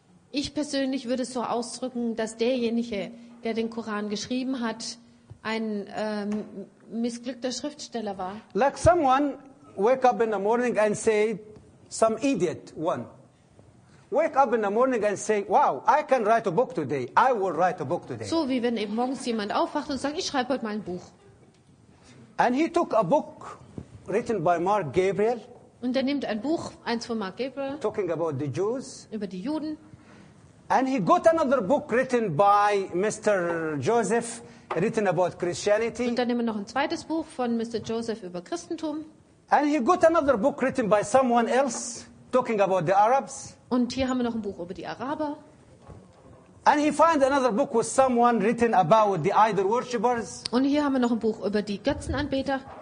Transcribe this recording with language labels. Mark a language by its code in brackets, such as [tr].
[de] Ich persönlich würde es so ausdrücken, dass derjenige, der den Koran geschrieben hat, ein missglückter Schriftsteller war. [en] Like someone wake up in the morning and say some idiot one. Wake up in the morning and say, wow, I can write a book today. I will write a book today. [de] So wie wenn eben morgens jemand aufwacht und sagt, ich schreibe heute mal ein Buch. [en] And he took a book written by Mark Gabriel. [de] Und er nimmt ein Buch, eins von Mark Gabriel. [en] Talking about the Jews. [de] Über die Juden. [en] And he got another book written by Mr. Joseph, written about Christianity. [de] Und dann nimmt er noch ein zweites Buch von Mr. Joseph über Christentum. [en] And he got another book written by someone else, talking about the Arabs. [de] Und hier haben wir noch ein Buch über die Araber. [en] And he finds another book with someone written about the idol worshippers. [de] Und hier haben wir noch ein Buch über die Götzenanbeter.